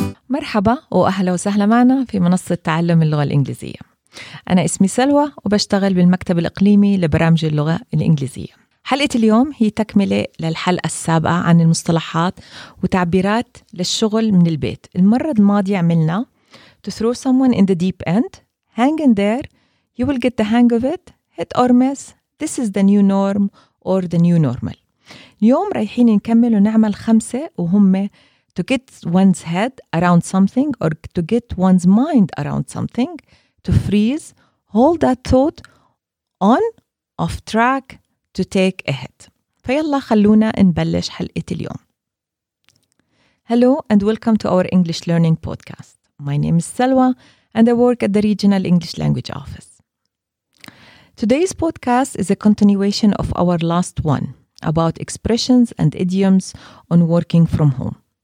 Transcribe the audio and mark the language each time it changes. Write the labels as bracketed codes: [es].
[ar] مرحبا وأهلا وسهلا معنا في منصة تعلم اللغة الإنجليزية. أنا اسمي سلوى وبشتغل بالمكتب الإقليمي لبرامج اللغة الإنجليزية. حلقة اليوم هي تكملة للحلقة السابقة عن المصطلحات وتعبيرات للشغل من البيت. المرة الماضية عملنا [en] To throw someone in the deep end, hang in there, you will get the hang of it, hit or miss, this is the new norm or the new normal. [ar] اليوم رايحين نكمل ونعمل خمسة وهم [en] To get one's head around something or to get one's mind around something, to freeze, hold that thought on, off track, to take ahead. [ar] فيلا خلونا نبلش حلقة اليوم. [en] Hello and welcome to our English learning podcast. My name is Salwa and I work at the Regional English Language Office. Today's podcast is a continuation of our last one about expressions and idioms on working from home.